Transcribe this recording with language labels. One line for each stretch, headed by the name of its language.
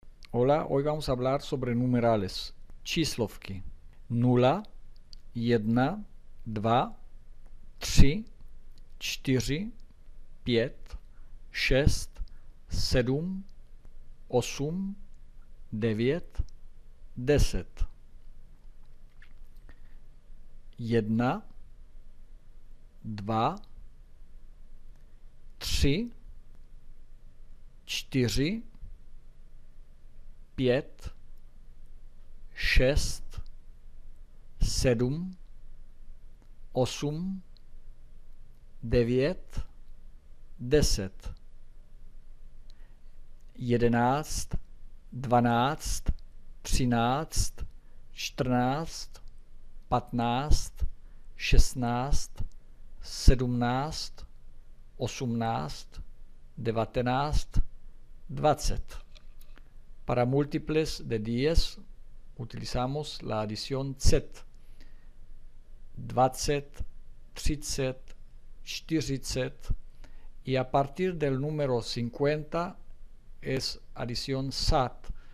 Spanish: Hola, hoy vamos a hablar sobre numerales, číslovky.
Czech: Nula, jedna, dva, tři, čtyři, pět, šest, sedm, osm, devět, deset. Jedna, dva, tři, čtyři, pět, šest, sedm, osm, devět, deset, jedenáct, dvanáct, třináct, čtrnáct, patnáct, šestnáct, sedmnáct, osmnáct, devatenáct, dvacet.
Spanish: Para múltiples de 10 utilizamos la adición Z. 20, 30, 40 y a partir del número 50 es adición SAT.